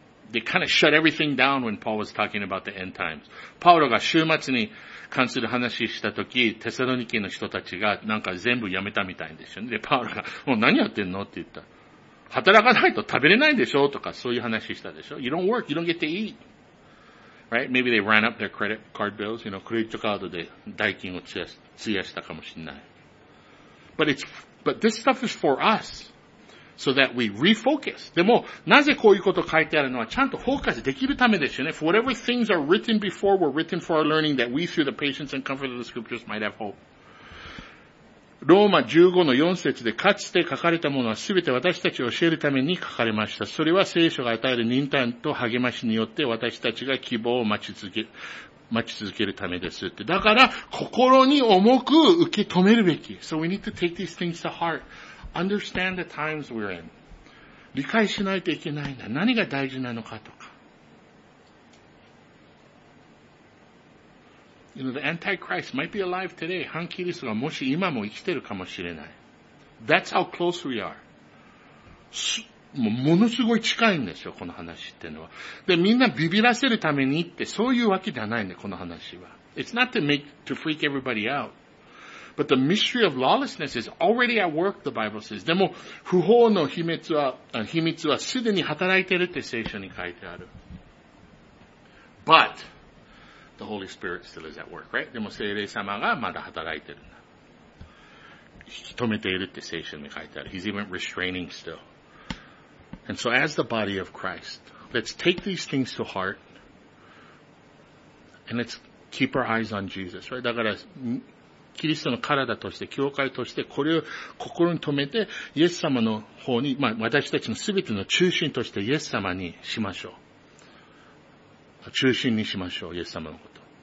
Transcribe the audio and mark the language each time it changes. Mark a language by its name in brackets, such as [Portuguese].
[English] They kind of shut everything down when Paul was talking about the end times. [Japanese] パウロが週末に関する話したとき、テサロニケの人たちがなんか全部やめたみたいんですよね。で、パウロが、もう何やってんのって言った。働かないと食べれないでしょとか、そういう話したでしょ。 [English] You don't work, you don't get to eat. Right? Maybe they ran up their credit card bills, you know, [Japanese] クレジットカードで代金を費やしたかもしれない。 [English] But this stuff is for us. So that we refocus. [Japanese] でも、なぜこういうこと書いてあるのは、ちゃんとフォーカスできるためですよね。 [English] For whatever things are written before were written for our learning that we through the patience and comfort of the scriptures might have hope. [Japanese] ローマ15の4節でかつて書かれたものはすべて私たちを教えるために書かれました。それは聖書が与える忍耐と励ましによって私たちが希望を待ち続けるためですって。だから心に重く受け止めるべき。 [English] So we need to take these things to heart. Understand the times we're in. [Japanese] 理解しないといけないんだ。何が大事なのかとか。 [English] You know, the Antichrist might be alive today. [Japanese] 反キリストがもし今も生きてるかもしれない。 [English] That's how close we are. [Japanese] ものすごい近いんですよ、この話っていうのは。で、みんなビビらせるためにって、そういうわけではないんで、この話は。 [English] It's not to freak everybody out. But the mystery of lawlessness is already at work, the Bible says. [Japanese] でも、不法の秘密はすでに働いてるって聖書に書いてある。 [English] But,The Holy Spirit still is at work, right? [Japanese] でも聖霊様がまだ働いてるんだ。引き止めているって聖書に書いてある。 [English] He's even restraining still. And so as the body of Christ, let's take these things to heart and let's keep our eyes on Jesus, right? [Japanese] だから、キリストの体として、教会として、これを心に留めて、イエス様の方に、まあ私たちの全ての中心としてイエス様にしましょう。中心にしましょう、イエス様のこと。